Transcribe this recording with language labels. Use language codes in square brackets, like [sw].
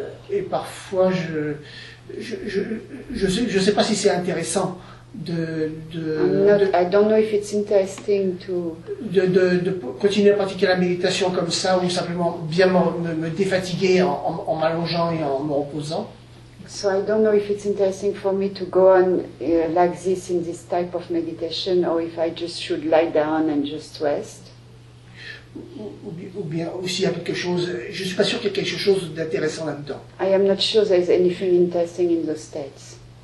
[fr] Et parfois, je sais pas si c'est intéressant de, [en] I don't know if it's interesting to [fr] de continuer à pratiquer la méditation comme ça, ou simplement bien me défatiguer en m'allongeant et en me reposant. [en] So I don't know if it's interesting for me to go on like this in this type of meditation, or if I just should lie down and just rest. [fr] Ou bien aussi à quelque chose. Je suis pas sûr qu'il y ait quelque chose d'intéressant là-dedans. [en] I am not sure there is anything interesting in those states.